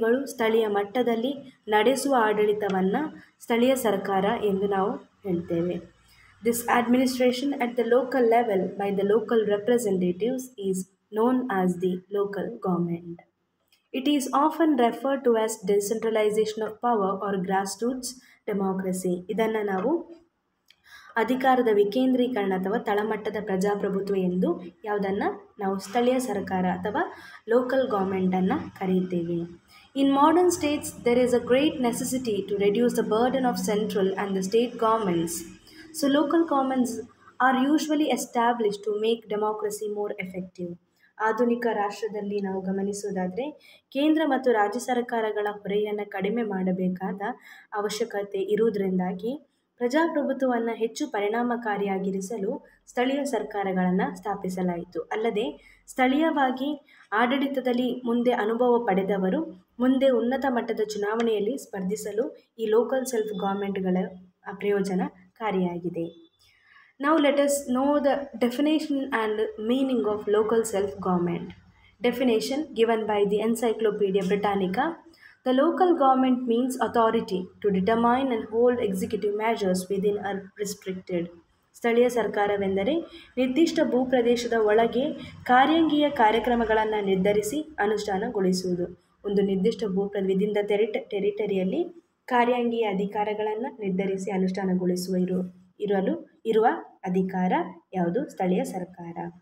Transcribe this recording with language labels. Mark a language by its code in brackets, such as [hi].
[kn] ಸ್ಥಳೀಯ ಮಟ್ಟದಲ್ಲಿ ನಡೆಸುವ ಆಡಳಿತವನ್ನು ಸ್ಥಳೀಯ ಸರ್ಕಾರ ಎಂದು ನಾವು ಹೇಳ್ತೇವೆ [en] This administration at the local level by the local representatives is known as the local government It is often referred to as decentralization of power or grassroots democracy. [kn] ಇದನ್ನು ನಾವು ಅಧಿಕಾರದ ವಿಕೇಂದ್ರೀಕರಣ ಅಥವಾ ತಳಮಟ್ಟದ ಪ್ರಜಾಪ್ರಭುತ್ವ ಎಂದು ಯಾವುದನ್ನು ನಾವು ಸ್ಥಳೀಯ ಸರ್ಕಾರ ಅಥವಾ ಲೋಕಲ್ ಗೌರ್ಮೆಂಟನ್ನು ಕರೆಯುತ್ತೇವೆ [en] In modern states, there is a great necessity to reduce the burden of central and the state governments. So local governments are usually established to make democracy more effective. [kn] ಆಧುನಿಕ ರಾಷ್ಟ್ರದಲ್ಲಿ ನಾವು ಗಮನಿಸುವುದಾದರೆ ಕೇಂದ್ರ ಮತ್ತು ರಾಜ್ಯ ಸರ್ಕಾರಗಳ ಹೊರೆಯನ್ನು ಕಡಿಮೆ ಮಾಡಬೇಕಾದ ಅವಶ್ಯಕತೆ ಇರುವುದರಿಂದಾಗಿ ಪ್ರಜಾಪ್ರಭುತ್ವವನ್ನು ಹೆಚ್ಚು ಪರಿಣಾಮಕಾರಿಯಾಗಿರಿಸಲು ಸ್ಥಳೀಯ ಸರ್ಕಾರಗಳನ್ನು ಸ್ಥಾಪಿಸಲಾಯಿತು ಅಲ್ಲದೆ ಸ್ಥಳೀಯವಾಗಿ ಆಡಳಿತದಲ್ಲಿ ಮುಂದೆ ಅನುಭವ ಪಡೆದವರು ಮುಂದೆ ಉನ್ನತ ಮಟ್ಟದ ಚುನಾವಣೆಯಲ್ಲಿ ಸ್ಪರ್ಧಿಸಲು ಈ ಲೋಕಲ್ ಸೆಲ್ಫ್ ಗೌರ್ಮೆಂಟ್ಗಳ ಪ್ರಯೋಜನಕಾರಿಯಾಗಿದೆ [en] Now let us know the definition and meaning of local self-government. Definition given by the Encyclopedia Britannica. The local government means authority to determine and hold executive measures within a restricted. [kn] ಸ್ಥಳೀಯ ಸರ್ಕಾರವೆಂದರೆ ನಿರ್ದಿಷ್ಟ ಭೂಪ್ರದೇಶದ ಒಳಗೆ ಕಾರ್ಯಾಂಗೀಯ ಕಾರ್ಯಕ್ರಮಗಳನ್ನು ನಿರ್ಧರಿಸಿ ಅನುಷ್ಠಾನಗೊಳಿಸುವುದು. ಒಂದು ನಿರ್ದಿಷ್ಟ within the ಟೆರಿಟರಿಯಲ್ಲಿ ಕಾರ್ಯಾಂಗೀಯ ಅಧಿಕಾರಗಳನ್ನು ನಿರ್ಧರಿಸಿ ಅನುಷ್ಠಾನಗೊಳಿಸುವ ಇರುವ ಅಧಿಕಾರ ಯಾವುದು ಸ್ಥಳೀಯ ಸರ್ಕಾರ